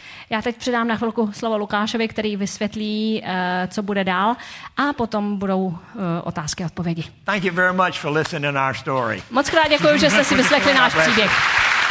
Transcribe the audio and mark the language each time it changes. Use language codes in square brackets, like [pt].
[cs] Já teď předám na chvilku slovo Lukášovi, který vysvětlí, co bude dál, a potom budou otázky a odpovědi. [en] Thank you very much for listening to our story. [cs] Moc krát děkuji, že jste si vyslechli náš příběh.